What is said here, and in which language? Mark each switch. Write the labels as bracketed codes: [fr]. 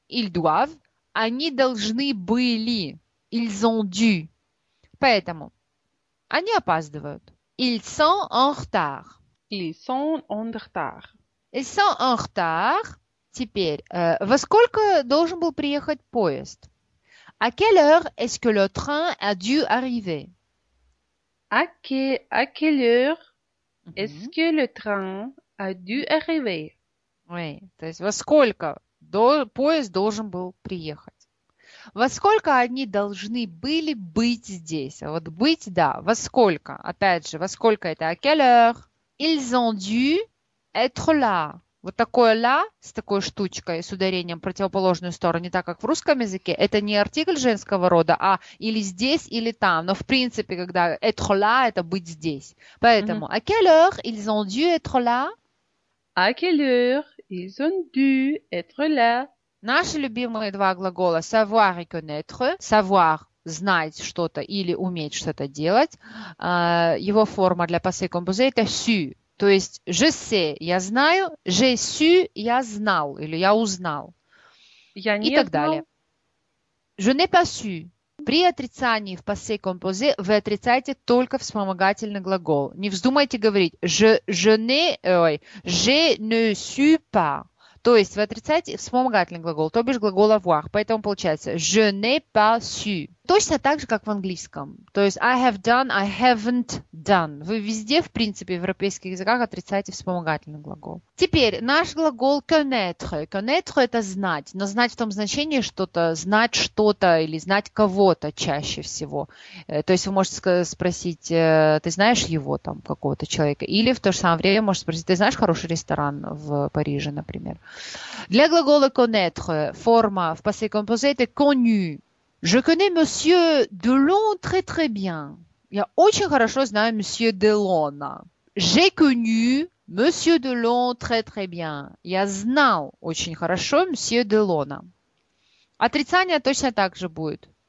[fr] «Ils doivent». [ru] «Они должны были». [fr] «Ils ont dû». [ru] Поэтому «они опаздывают». [fr] «Ils sont en retard». «Ils sont en retard». «Ils sont en retard». [ru] Теперь, во сколько должен был приехать поезд? [fr] À quelle heure est-ce que le train a dû arriver? À quelle heure est-ce que le train a dû arriver? [ru] Oui, то есть во сколько поезд должен был приехать? Во сколько они должны были быть здесь? Вот быть, да. Во сколько? Опять же, во сколько это? [fr] À quelle heure? Ils ont dû être là. [ru] Вот такое «ла» с такой штучкой, с ударением в противоположную сторону, не так, как в русском языке, это не артикль женского рода, а или здесь, или там. Но в принципе, когда [fr] «être là» [ru] – это быть здесь. Поэтому [fr] «à quelle heure ils ont dû être là?» «À quelle heure ils ont dû être là?» [ru] Наши любимые два глагола «savoir» и «connaître». «Savoir» – знать что-то или уметь что-то делать. Его форма для passé composé – это «su». То есть [fr] «je sais» [ru] – я знаю, «je su» – я знал или я узнал. Я не и так знал. Далее. [fr] «Je n'ai pas su». [ru] При отрицании в passé composé вы отрицаете только вспомогательный глагол. Не вздумайте говорить [fr] «je ne su pas». [ru] То есть вы отрицаете вспомогательный глагол, то бишь глагол «avoir». Поэтому получается [fr] «je n'ai pas su». [ru] Точно так же, как в английском. То есть [en] «I have done», «I haven't done». [ru] Вы везде, в принципе, в европейских языках отрицаете вспомогательный глагол. Теперь наш глагол «connaître». «Connaître» – это «знать». Но «знать» в том значении что-то, «знать что-то» или «знать кого-то» чаще всего. То есть вы можете спросить «ты знаешь его там, какого-то человека?» Или в то же самое время можете спросить «ты знаешь хороший ресторан в Париже, например?» Для глагола «connaître» форма в passé composé – это «connu». [fr] Je connais monsieur Delon très très bien. [ru] Я очень хорошо знаю monsieur Делона. [fr] J'ai connu monsieur Delon très très bien. [ru] Я знал очень хорошо monsieur Делона. Отрицание точно так же будет.